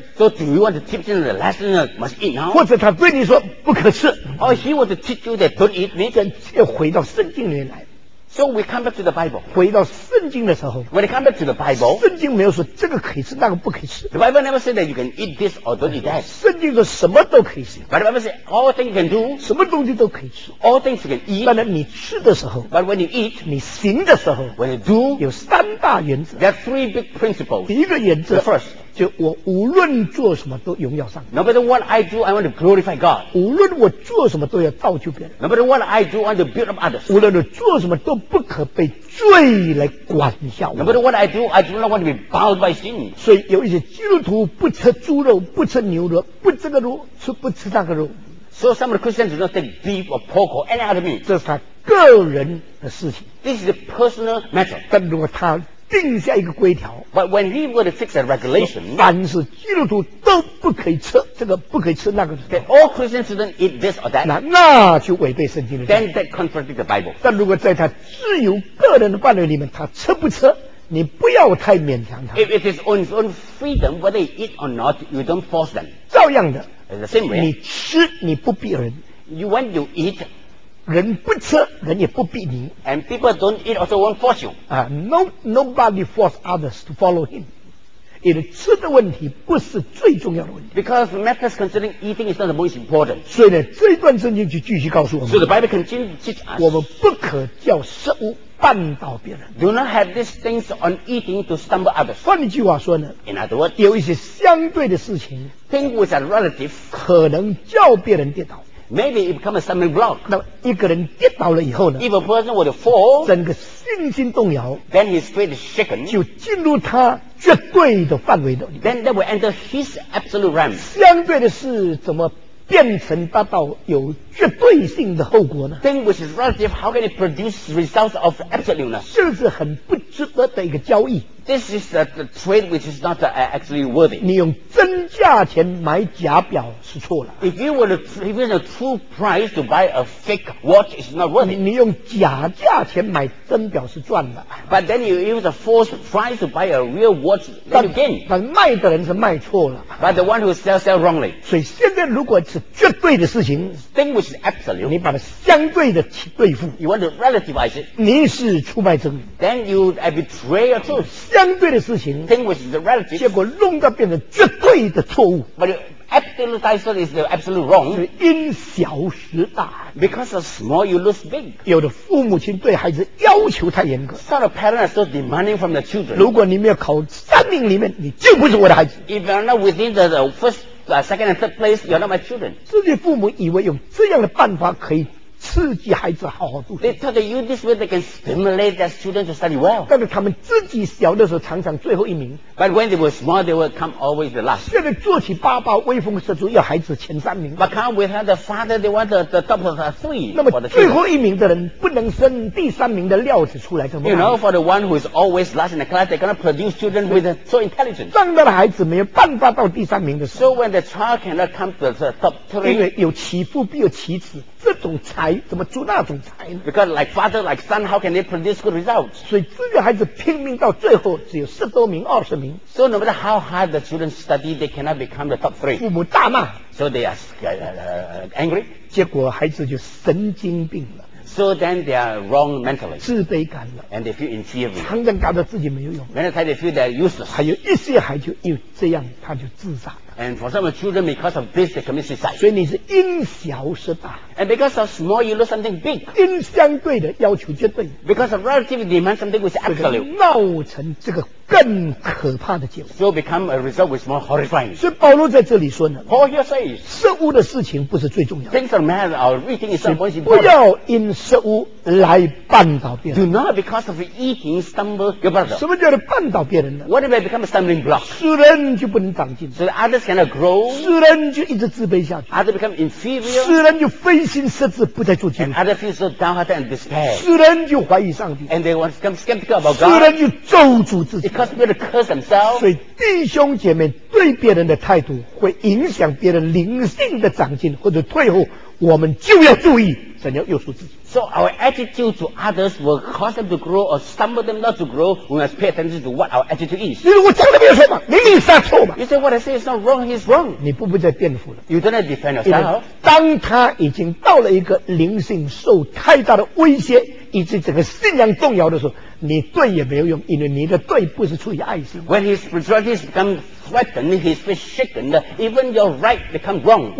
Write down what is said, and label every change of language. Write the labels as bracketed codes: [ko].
[en] So do you want to teach him the lesson that must eat now? [zh] 或者他对你说不可吃， [en] Or he wants to teach you that don't eat meat? [zh] 现在又回到圣经里面来。 [en] So we come back to the Bible. [zh] 回到圣经的时候， [en] When we come back to the Bible, [zh] 圣经没有说这个可以吃，那个不可以吃。 [en] The Bible never said that you can eat this or don't eat that. [zh] 圣经说什么都可以吃。 [en] But the Bible said all things you can do, [zh] 什么东西都可以吃。 [en] All things you can eat. [zh] 但是你吃的时候， [en] But when you eat, [zh] 你行的时候， [en] When you do, [zh] 有三大原则。 [en] There are three big principles. [zh] 第一个原则， [en] The first, [zh] 就我无论做什么都荣耀上帝。 [en] No matter what I do, I want to glorify God. [zh] 无论我做什么都要造就别人。 [en] No matter what I do, I want to build up others. [zh] 无论我做什么都不可被罪来管辖。 [en] No matter what I do, I do not want to be bound by sin. [zh] 所以有一些基督徒不吃猪肉，不吃牛肉，不这个肉，吃不吃那个肉。 [en] So some of the Christians do not take beef or pork or any other meat. [zh] 这是他个人的事情。 [en] This is a personal matter. [zh] 但如果他定下一个规条， [en] But when he were to fix a regulation, [zh] 凡是基督徒都不可以吃这个不可以吃那个， [en] That all Christians shouldn't eat this or that, [zh] 那就违背圣经的。 [en] Then that contradicts the Bible. [zh] 但如果在他自由个人的范围里面他吃不吃你不要太勉强他。 [en] If it is on his own freedom, whether he eat or not, you don't force them. [zh] 照样的。 [en] In the same way. [zh] 你吃，你不逼人。 [en] You want to eat, [zh] 人不吃，人也不逼你。 [en] And people don't eat, also won't force you. Nobody force others to follow him. [zh] It, 吃的问题不是最重要的问题。 [en] Because matters concerning eating is not the most important. [zh] 所以呢，这一段圣经就继续告诉我们。 [en] So the Bible continues to teach us. [zh] 我们不可叫食物绊倒别人。 [en] Do not have these things on eating to stumble others. [zh] 换句话说呢 [en] ，In other words, [zh] 有一些相对的事情 [en] ，things which are relative， [zh] 可能叫别人跌倒。 [en] Maybe it becomes a stumbling block. [zh] 那一个人跌倒了以后呢 [en] ？If a person were to fall, [zh] 整个信心动摇 [en] ，then his faith is shaken. [zh] 就进入他绝对的范围的。 [en] Then that will enter his absolute realm. [zh] 相对的是，怎么变成达到有绝对性的后果呢 [en] ？Thing which is relative, how can it produce results of absoluteness? [zh] 是不是很不值得的一个交易 [en] ？This is the trade which is not actually worthy. [zh] 你用真价钱买假表是错了。 [en] If you were the true price to buy a fake watch, it's not worth it. [zh] 你用假价钱买真表是赚的。 [en] But then you use a false price to buy a real watch, then you gain. [zh] 但卖的人是卖错了。 [en] But the one who sells wrongly. [zh] 所以现在如果是绝对的事情 [en] ，thing which is absolute， [zh] 你把它相对的去对付。 [en] You want to relativize it. [zh] 你是出卖真理。 [en] Then you betray your truth. [zh] 相对的事情 [en] ，thing which is relative， [zh] 结果弄到变成绝对的错误。 [en] But you absolutize it is the absolute wrong. [zh] 是因小失大。 [en] Because of small, you lose big. [zh] 有的父母亲对孩子要求太严格。 [en] Some parents are so demanding from the children. [zh] 如果你没有考三名里面，你就不是我的孩子。 [en] If you're not within the first second and third place, you're not my children. [zh] 这些父母以为用这样的办法可以刺激孩子好好读书。 [en] They taught you this way they can stimulate their students to study well. [zh] 但是他们自己小的时候常常最后一名。 [en] But when they were small, they would come always the last. [zh] 现在做起爸爸威风十足，要孩子前三名。 [en] But come with the father, they want the top of the three. [zh] 那么最后一名的人不能生第三名的料子出来，怎么办 [en] ？You know, for the one who is always last in the class, they cannot produce children with so intelligent. [zh] 长大的孩子没有办法到第三名的时候。 [en] So when the child cannot come to the top three, [zh] 因为有其父必有其子。这种才怎么出那种才呢 [en] ？Because like father, like son, how can they produce good results? [zh] 所以这个孩子拼命到最后只有十多名、二十名。 [en] So no matter how hard the children study, they cannot become the top three. [zh] 父母大骂。 [en] So they are angry. [zh] 结果孩子就神经病了。 [en] So then they are wrong mentally. [zh] 自卑感了。 [en] And they feel inferior. [zh] 常常感到自己没有用。 [en] Many times they feel they are useless. [zh] 还有一些孩子又这样，他就自杀。 [en] And for some children, because of this, they commit suicide. [zh] 所以你是因小失大。 [en] And because of small, you lose something big. [zh] 因相对的要求绝对。 [en] Because of relative, demand something which is absolute. [zh] 闹成这个更可怕的结果。 [en] So become a result which is more horrifying. [zh] 所以保罗在这里说呢。 [en] Paul here says, [zh] 食物的事情不是最重要的。 [en] Things are matter of eating is not important. [zh] 不要因食物来绊倒别人。 [en] Do not because of eating stumble your brother. [zh] 什么叫做绊倒别人呢 [en] ？What if I become a stumbling block? [zh] 世人就不能长进。 [en] So others. Cannot grow, [zh] 世人就一直自卑下去 [en] Others become inferior, [zh] 世人就非心设置不再做基督 [en] And others feel so downhearted and despair [zh] 世人就怀疑上帝 [en] And they want to become skeptical about God [zh] 世人就咒诅自己 [en] Because they're going to curse themselves [zh] 所以弟兄姐妹对别人的态度会影响别人灵性的长进或者退后我们就要注意怎样约束自己 [en] So our attitude to others will cause them to grow or stumble them not to grow We must pay attention to what our attitude is [zh] 你说我讲的没有错吧你硬杀错吧 [en] You say what I say is not wrong, he's wrong [zh] 你不必再辩护了 [en] You don't have to defend yourself [zh] 当他已经到了一个灵性受太大的威胁以致整个信仰动摇的时候你对也没有用因为你的对不是出于爱心 [en] When his spirituality has become threatened His faith shaken Even your right become wrong